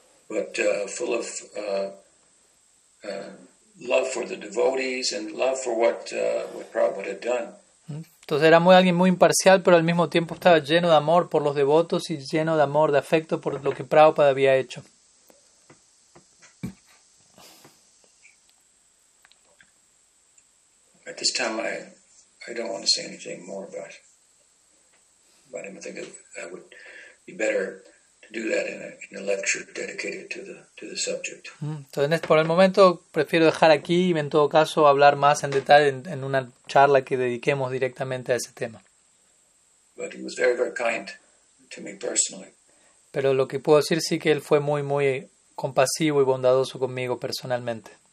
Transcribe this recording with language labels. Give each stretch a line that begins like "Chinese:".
English: But full of love for the devotees and love for what Prabhupada had done.
Spanish: Entonces era muy alguien muy imparcial, pero al mismo tiempo estaba lleno de amor por los devotos y lleno de amor, de afecto por lo que Prabhupada había hecho.
English: At this time I don't want to say anything more about him. I think it would be better to do that in a lecture dedicated to the subject.
Spanish: Entonces por el momento prefiero dejar aquí y en todo caso hablar más en detalle en una charla que dediquemos directamente a ese tema.
English: But he was very, very kind to me personally.
Spanish: Pero lo que puedo decir sí que él fue muy muy compasivo y bondadoso conmigo personalmente.